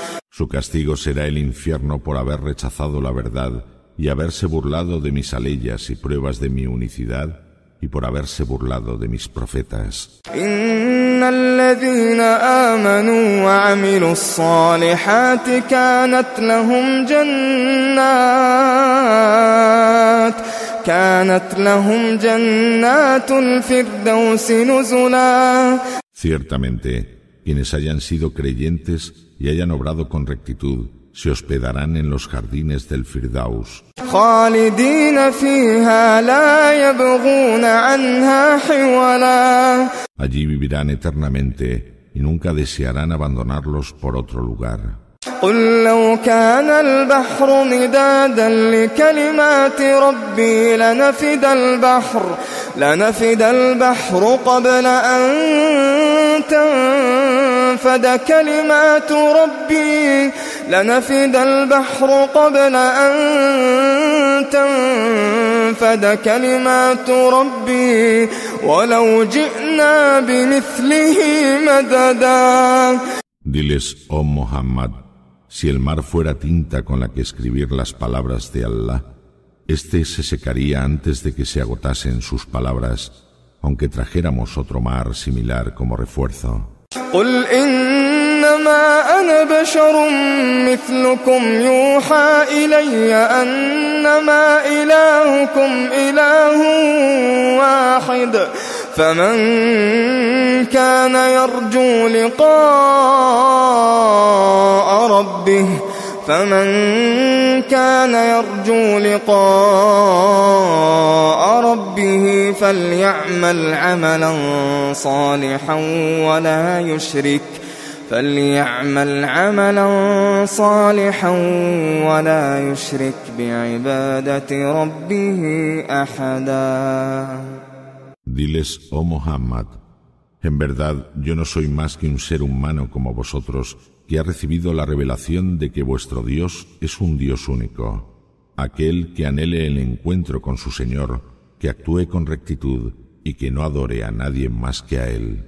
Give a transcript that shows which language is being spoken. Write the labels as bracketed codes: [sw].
[es] Su castigo será el infierno por haber rechazado la verdad y haberse burlado de mis aleyas y pruebas de mi unicidad y por haberse burlado de mis profetas. [ar] الذين آمنوا وعملوا الصالحات كانت لهم جنات الفردوس نزلا. [es] Ciertamente, quienes hayan sido creyentes y hayan obrado con rectitud, se hospedarán en los jardines del Firdaus. Allí vivirán eternamente y nunca desearán abandonarlos por otro lugar. [ar] قل لو كان البحر مدادا لكلمات ربي لنفد البحر قبل أن تنفد كلمات ربي لنفد البحر قبل أن تنفد كلمات ربي ولو جئنا بمثله مددا. [es] Diles, oh Muhammad, si el mar fuera tinta con la que escribir las palabras de Allah, éste se secaría antes de que se agotasen sus palabras, aunque trajéramos otro mar similar como refuerzo. [ar] إنما أنا بشر مثلكم يوحى إلي أنما إلهكم إله واحد فمن كان يرجو لقاء ربه فليعمل عملا صالحا ولا يشرك بِعِبَادَةِ رَبِّهِ أَحَدًا. [es] Diles, oh Muhammad, en verdad yo no soy más que un ser humano como vosotros que ha recibido la revelación de que vuestro Dios es un Dios único. Aquel que anhele el encuentro con su Señor, que actúe con rectitud y que no adore a nadie más que a Él.